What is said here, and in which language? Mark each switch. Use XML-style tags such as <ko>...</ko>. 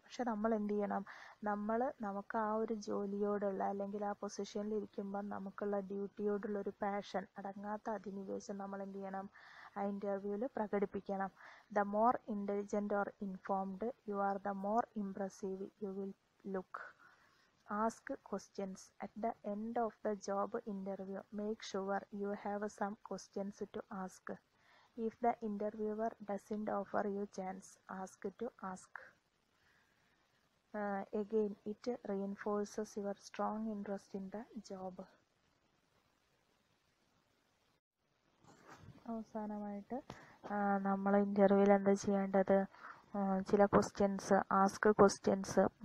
<ml>പക്ഷെ നമ്മൾ എന്ത് ചെയ്യണം, നമ്മൾ നമുക്ക് ആ ഒരു ജോലിയോടുള്ള അല്ലെങ്കിൽ ആ പൊസിഷനിൽ ഇരിക്കുമ്പം നമുക്കുള്ള ഡ്യൂട്ടിയോടുള്ള ഒരു പാഷൻ അടങ്ങാത്ത അധിനിവേശം നമ്മൾ എന്ത് ചെയ്യണം, ആ ഇൻ്റർവ്യൂവിൽ പ്രകടിപ്പിക്കണം.</ml> <en>The more intelligent or informed you are, the more impressive you will look. Ask questions at the end of the job interview. Make sure you have some questions to ask. If the interviewer doesn't offer you chance, ask to ask. Again, it reinforces your strong interest in the job.</en> <ml>അവസാനമായിട്ട് നമ്മൾ ഇൻ്റർവ്യൂവിൽ എന്താ ചെയ്യേണ്ടത്, ചില questions, ask questions.</ml>